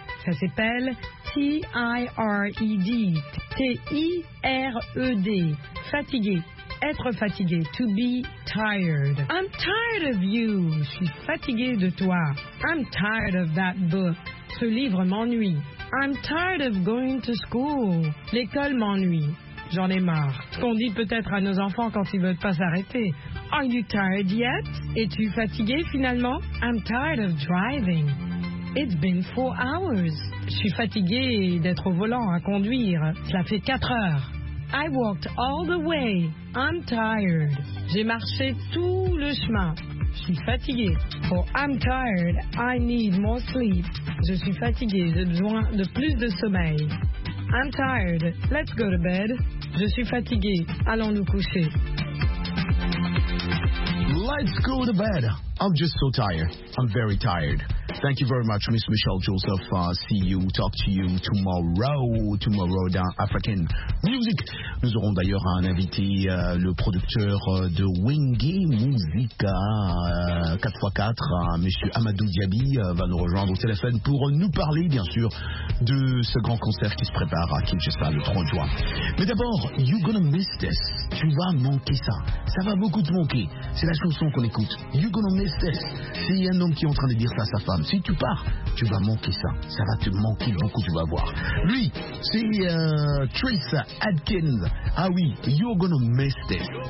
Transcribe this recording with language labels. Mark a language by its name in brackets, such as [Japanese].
[French] Ça s'appelle T-I-R-E-D, T-I-R-E-D, fatigué. Être fatigué, [English] to be tired. I'm tired of you, [French] je suis fatiguée de toi. [English] I'm tired of that book, [French] ce livre m'ennuie. [English] I'm tired of going to school, [French] l'école m'ennuie. J'en ai marre. Ce qu'on dit peut-être à nos enfants quand ils veulent pas s'arrêter. [English] Are you tired yet? [French] Es-tu fatigué finalement? [English] I'm tired of driving. It's been 4 hours. [French] Je suis fatigué d'être au volant à conduire. Cela fait 4 heures. [English] I walked all the way. I'm tired. [French] J'ai marché tout le chemin. Je suis fatigué. [English] For I'm tired, I need more sleep. [French] Je suis fatigué, j'ai besoin de plus de sommeil. [English] I'm tired. Let's go to bed. [French] Je suis fatigué. Allons nous coucher. [English] Let's go to bed. I'm just so tired. I'm very tired. Thank you very much, Miss Michelle Joseph. See you, talk to you tomorrow dans African Music. [French] Nous aurons d'ailleurs un invité, le producteur de Wingy Musica 4x4, Monsieur Amadou Diaby, va nous rejoindre au téléphone pour nous parler, bien sûr, de ce grand concert qui se prépare à Kinshasa le 30 juin. Mais d'abord, [English] you're gonna miss this. [French] Tu vas manquer ça. Ça va beaucoup te manquer. C'est la chanson qu'on écoute. [English] You're gonna miss this. [French] C'est un homme qui est en train de dire ça à sa femme. Si tu pars, tu vas manquer ça. Ça va te manquer beaucoup, tu vas voir. Lui, c'est Trace Adkins. Ah oui, [English] you're gonna miss this.